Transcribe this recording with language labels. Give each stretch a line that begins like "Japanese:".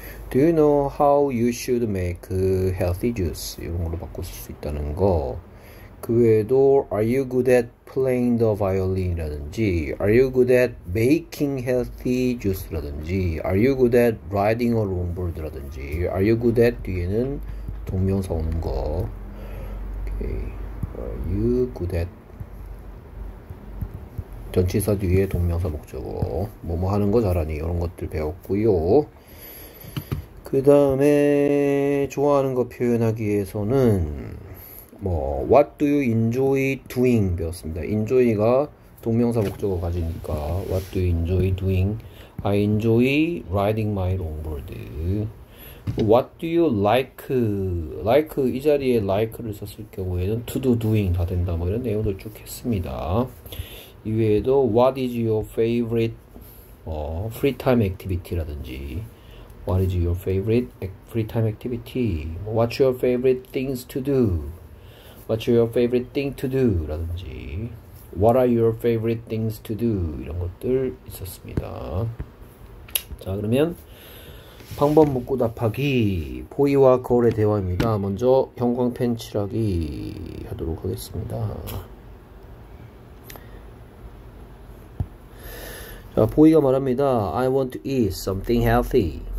English: Do you know how you should make healthy juice?
Korean: 이런 걸로 바꿀 수 있다는 거.
English: 그 외에도 Are you good at playing the violin이라든지 Are you good at making healthy juice라든지 Are you good at riding a longboard라든지 Are you good at
Korean: 뒤에는 동명사 오는 거.
English: Okay. Are you good at
Korean: 전치사 뒤에 동명사 목적어 뭐뭐 하는 거 잘하니 이런 것들 배웠고요. 그 다음에 좋아하는 거 표현하기에서는 뭐,
English: what do you enjoy doing?
Korean: 배웠습니다.
English: enjoy가
Korean: 동명사 목적어 가지니까,
English: what do you enjoy doing? I enjoy riding my longboard. What do you like?
Korean: like, 이 자리에 like를 썼을 경우에는
English: to do doing
Korean: 다 된다. 뭐 이런 내용들 쭉 했습니다.
English: 이외에도, what is your favorite, free time activity라든지, what is your favorite free time activity? What's your favorite things to do? What's your favorite thing to do? 라든지, What are your favorite things to do?
Korean: 이런 것들 있었습니다. 자, 그러면 방법 묻고 답하기. 포이와 거울의 대화입니다. 먼저 형광펜 칠하기 하도록 하겠습니다. 자, 포이가 말합니다.
English: I want to eat something healthy.